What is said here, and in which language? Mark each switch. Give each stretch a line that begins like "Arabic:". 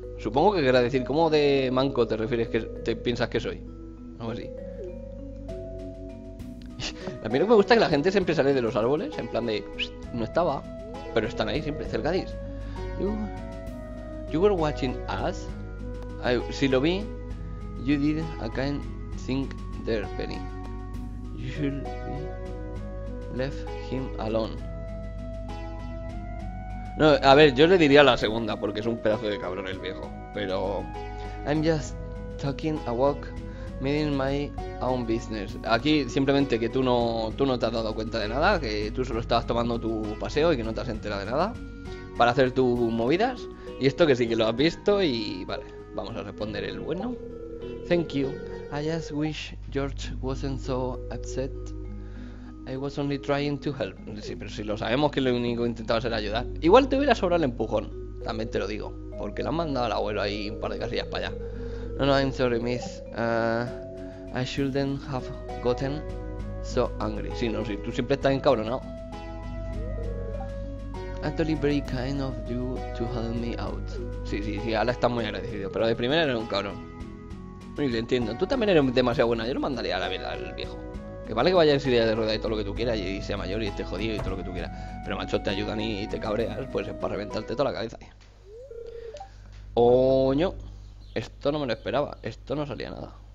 Spanish: Supongo que querrá decir, ¿cómo de manco te refieres que te piensas que soy? Algo así. A mí lo que me gusta es que la gente siempre sale de los árboles, en plan de, psst, no estaba, pero están ahí siempre, cerca de.
English: You were watching us.
Spanish: Si lo vi,
English: you did a kind thing there, Penny. You should be left him alone.
Spanish: No, a ver, yo le diría la segunda, porque es un pedazo de cabrón el viejo, pero.
English: I'm just talking a walk. Minding my own business.
Spanish: Aquí simplemente que tú no te has dado cuenta de nada, que tú solo estabas tomando tu paseo y que no te has enterado de nada para hacer tus movidas. Y esto que sí que lo has visto y vale, vamos a responder el bueno.
English: Thank you. I just wish George wasn't so upset. I was only trying to help.
Spanish: Sí, pero si lo sabemos que lo único que intentabas era ayudar. Igual te hubiera sobrado el empujón, también te lo digo, porque le han mandado al abuelo ahí un par de casillas para allá.
English: No, no, I'm sorry, miss. I shouldn't have gotten So angry.
Spanish: Sí, no, sí, tú siempre estás encabronado.
English: Actually very kind of you to help me out.
Spanish: Sí, ahora está muy agradecido, pero de primera era un cabrón. Y lo entiendo, tú también eres demasiado buena, yo lo mandaría a la vida al viejo. Que vale que vaya en silla de ruedas y todo lo que tú quieras y sea mayor y esté jodido y todo lo que tú quieras. Pero macho, te ayudan y te cabreas, pues es para reventarte toda la cabeza. Oño, esto no me lo esperaba, esto no salía nada.